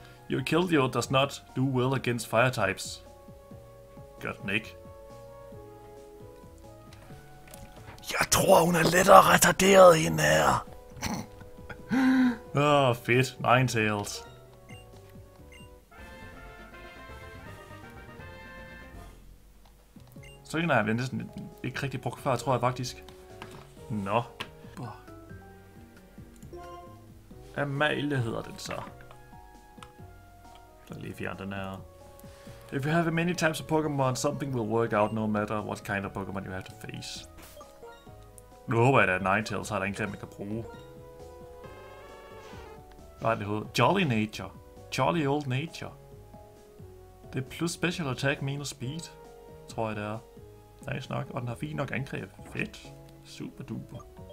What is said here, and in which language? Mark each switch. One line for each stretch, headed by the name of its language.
English: Your Keldeo does not do well against fire types.
Danish: Godt, Nick. Jeg tror hun er lidt retarderet hende her. Åh, fedt. Ninetales. Så er jeg næsten ikke rigtig brugt før, tror jeg faktisk. Nå. Amalie hedder den så. Så lige fjern den her.
English: If you have many types of Pokemon, something will work out no matter what kind of Pokemon you have to face.
Danish: Nu håber jeg da, at Ninetales har der ingen greb, man kan bruge. Hvad er det hedder? Jolly Nature. Jolly Old Nature. Det er plus Special Attack minus Speed, tror jeg det er. Nice nok, og den har fint nok angreb. Fedt. Super duper.